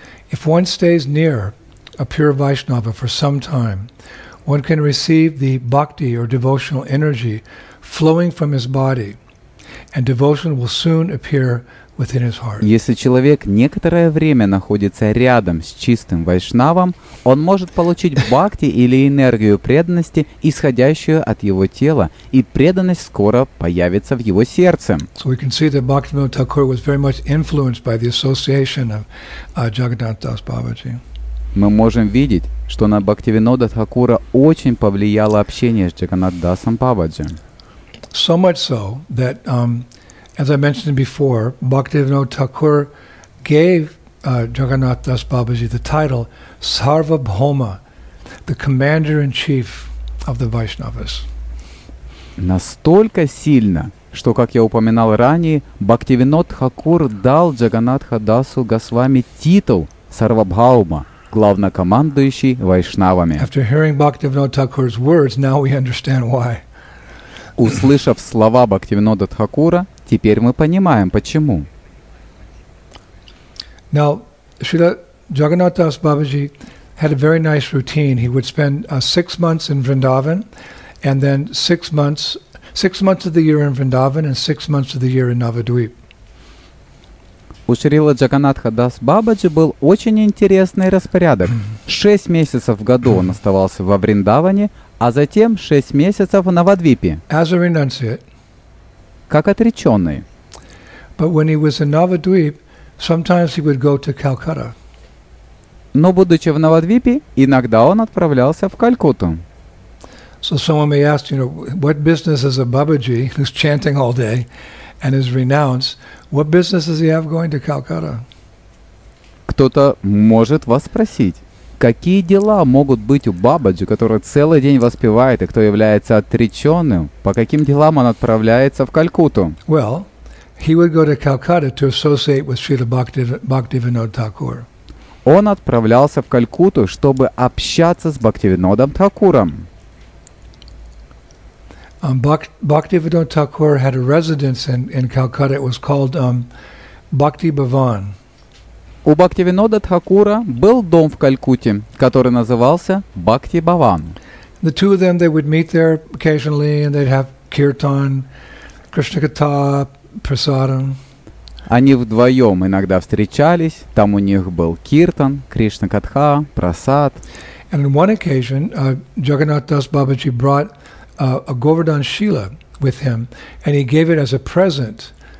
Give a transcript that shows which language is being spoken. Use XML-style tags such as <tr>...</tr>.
<en>If one stays near a pure Vaishnava for some time, one can receive the bhakti or devotional energy flowing from his body, and devotion will soon appear within his heart.</en> <ru>Если человек некоторое время находится рядом с чистым вайшнавом, он может получить бхакти или энергию преданности, исходящую от его тела, и преданность скоро появится в его сердце.</ru> <en>So we can see that Bhaktivinoda Thakura was very much influenced by the association of Jagannath Das Babaji.</en> <ru>Мы можем видеть, что на Бхактивинода Тхакура очень повлияло общение с Джаганнат Дасом Бабаджи.</ru> <en>So much so that as I mentioned before, Bhaktivinoda Thakur gave Jagannath Das Babaji the title Sarvabhoma, the commander-in-chief of the Vaishnavas.</en> <ru>Настолько сильно, что, как я упоминал ранее, Бхактивинод Хакур дал Джаганнатха Дасу Госвами титул Сарвабхаума, главнокомандующий Вайшнавами.</ru> <en>After hearing Bhaktivinoda Thakur's words, now we understand why.</en> <ru>Услышав слова Бхактивинода Тхакура, теперь мы понимаем, почему.</ru> <en>Now, Śrīla Jagannath Das Babaji had a very nice routine. He would spend 6 months in Vrindavan, and then six months of the year in Vrindavan, and 6 months of the year in Navadvip.</en> <ru>У Шрилы Джаганнатха Дас Бабаджи был очень интересный распорядок. 6 месяцев в году он оставался во Вриндаване, а затем 6 месяцев в Навадвипе.</ru> <en>As a renunciate.</en> <ru>Как отреченный.</ru> <en>But when he was in Navadvip, sometimes he would go to Calcutta.</en> <ru>Но будучи в Навадвипе, иногда он отправлялся в Калькутту.</ru> <en>So someone may ask, you know, what business is a Babaji who's chanting all day and is renounced? What business does he have going to Calcutta?</en> <ru>Кто-то может вас спросить. Какие дела могут быть у Бабаджи, который целый день воспевает и кто является отреченным? По каким делам он отправляется в Калькутту?</ru> <en>Well, he would go to Calcutta to associate with Śrīla Bhaktivinoda Thakur.</en> <ru>Он отправлялся в Калькутту, чтобы общаться с Бхактивинодом Такуром.</ru> <en>Bhaktivinoda Thakur had a residence in Calcutta. It was called Bhakti Bhavan.</en> <ru>У Бхактивинода Тхакура был дом в Калькутте, который назывался Бхакти Бхаван.</ru> <en>The two of them, they would meet there occasionally, and they'd have kirtan, Krishna katha, prasadam.</en> <ru>Они вдвоем иногда встречались. Там у них был киртан, Кришна катха, прасад.</ru> <en>And on one occasion, Jagannath Das Babaji brought a Govardhan Shila with him, and he gave it as a present.</en>